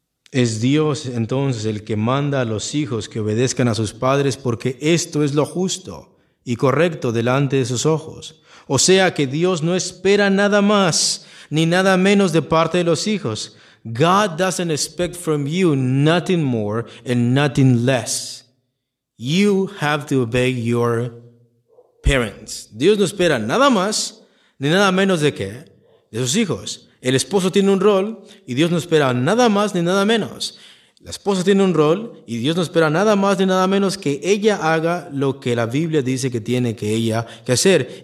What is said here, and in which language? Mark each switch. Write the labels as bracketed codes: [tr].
[es] Es Dios entonces el que manda a los hijos que obedezcan a sus padres porque esto es lo justo y correcto delante de sus ojos. O sea que Dios no espera nada más ni nada menos de parte de los hijos. [en] God doesn't expect from you nothing more and nothing less. You have to obey your parents. [es] Dios no espera nada más ni nada menos de qué? De sus hijos. El esposo tiene un rol y Dios no espera nada más ni nada menos. La esposa tiene un rol y Dios no espera nada más ni nada menos que ella haga lo que la Biblia dice que tiene que ella que hacer.